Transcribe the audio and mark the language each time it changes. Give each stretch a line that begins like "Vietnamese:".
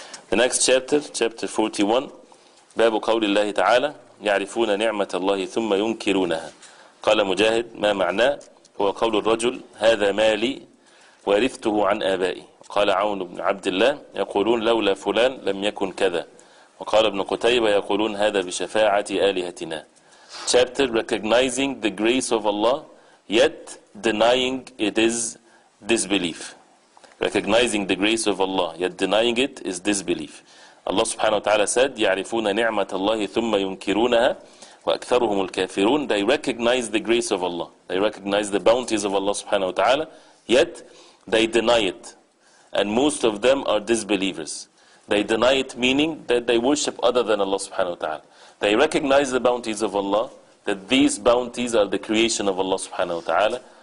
English: The next chapter, chapter 41,
Arabic: باب قول الله تعالى يعرفون نعمة الله ثم ينكرونها. قال مجاهد ما معناه؟ هو قول الرجل هذا مالي ورثته عن آبائي. قال عون بن عبد الله يقولون لولا فلان لم يكن كذا. وقال ابن قتيبة يقولون هذا بشفاعة آلهتنا.
English: Chapter recognizing the grace of Allah yet denying it is disbelief. Recognizing the grace of Allah yet denying it is disbelief. Allah subhanahu wa ta'ala said
Arabic: يعرفون نعمة الله ثم ينكرونها وأكثرهم الكافرون.
English: They recognize the grace of Allah. They recognize the bounties of Allah subhanahu wa ta'ala, yet they deny it. And most of them are disbelievers. They deny it, meaning that they worship other than Allah subhanahu wa ta'ala. They recognize the bounties of Allah, that these bounties are the creation of Allah subhanahu wa ta'ala.